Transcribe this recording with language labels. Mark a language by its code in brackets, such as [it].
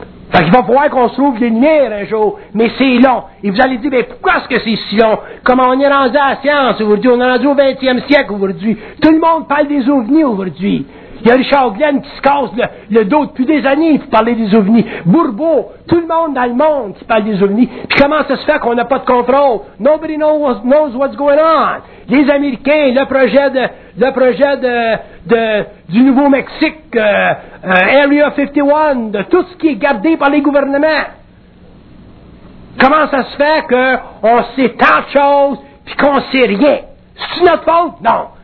[fr] Fait qu'il va falloir qu'on se trouve des lumières un jour, mais c'est long. Et vous allez dire, pourquoi est-ce que c'est si long? Comment on est rendu à la science aujourd'hui? On est rendu au 20e siècle aujourd'hui. Tout le monde parle des ovnis aujourd'hui. Il y a Richard Glenn qui se casse le dos depuis des années pour parler des ovnis. Bourbeau, tout le monde dans le monde qui parle des ovnis. Puis comment ça se fait qu'on n'a pas de contrôle? [en] Nobody knows what's going on. [fr] Les Américains, le projet du Nouveau-Mexique, Area 51, de tout ce qui est gardé par les gouvernements. Comment ça se fait qu'on sait tant de choses puis qu'on sait rien? C'est notre faute? Non.